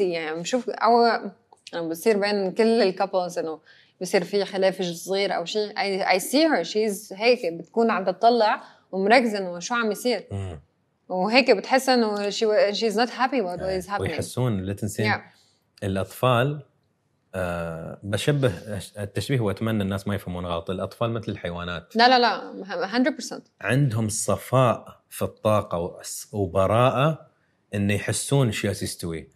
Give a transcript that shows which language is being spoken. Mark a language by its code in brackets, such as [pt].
[ar] يعني بشوف أو بصير بين كل الكابلز إنه بصير في خلاف صغير أو شيء. [en] I see her. She's [ar] هيك بتكون عم تطلع ومركز إنه شو عم يصير. وهيك بتحس إنه [en] she's not happy about what is happening. [ar] ويحسون لا تنسين الأطفال. بشبه التشبيه وأتمنى الناس ما يفهمون غلط، الأطفال مثل الحيوانات. لا لا لا 100% عندهم صفاء في الطاقة وبراءة إن يحسون شو يستوي.